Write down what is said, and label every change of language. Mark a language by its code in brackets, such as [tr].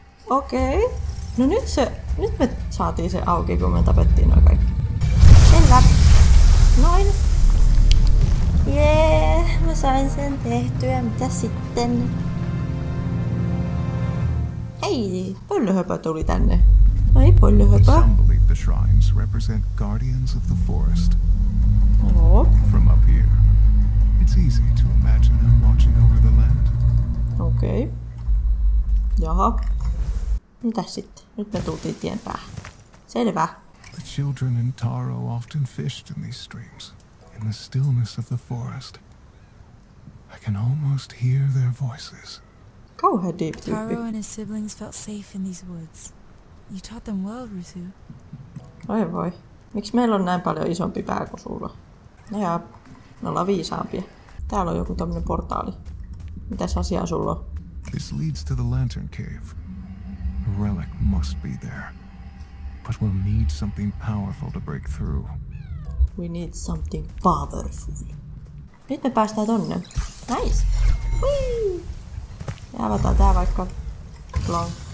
[fi] Okei. Okay. No nyt me saatiin se auki, kun me tapettiin noin kaikki. Selvä. Noin. Jee, mä sain sen tehtyä. Mitä sitten? Hei, pöllöhöpö tuli tänne. Ai, pöllöhöpö. [en] Some believe the shrines represent guardians of the forest. From up here. It's easy to imagine them watching over the land. [fi] Okei. Okay. Jaha. Mitä sitten? Nyt me tultiin tien päähän. Selvä. [en] The children in Taro often fished in these streams, in the stillness of the forest. I can almost hear their voices. [fi] Kauhean deep tyyppi. [en] Taro and his siblings felt safe in these woods. You taught them well, Ruthu. [fi] Oi voi. Miksi meillä on näin paljon isompi pää kuin sulla? Jaa. Me ollaan viisaampia. Täällä on joku tämmönen portaali. Mitäs asiaa sulla on? [en] This leads to the lantern cave. A relic must be there. But we'll need something powerful to break through. We need something powerful. [fi] Nyt me päästään tonne. Nice! Whee! Ja avataan tää vaikka. Long.